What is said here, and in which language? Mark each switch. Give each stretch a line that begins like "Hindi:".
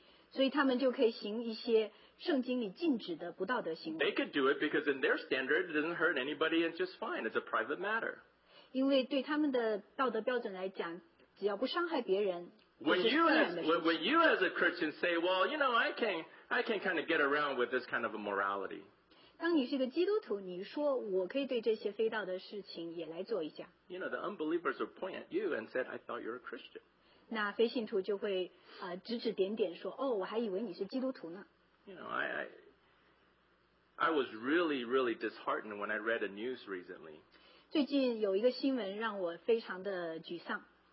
Chinese: 所以他们就可以行一些圣经里禁止的不道德行为
English: They could do it because in their standard it doesn't hurt anybody and just fine. It's a private matter.
Chinese: 因为对他们的道德标准来讲，只要不伤害别人，就是自然的事情。
English: When you as a Christian say, well, you know, I can kind of get around with this kind of immorality.
Chinese: 当你是个基督徒，你说我可以对这些非道的事情也来做一下。
English: You know, the unbelievers will point at you and said, I thought you're a Christian.
Chinese: 那非信徒就会指指点点说，哦，我还以为你是基督徒呢。
English: You know, I was really, really disheartened when I read a news recently.
Chinese: 最近有一个新闻让我非常的沮丧。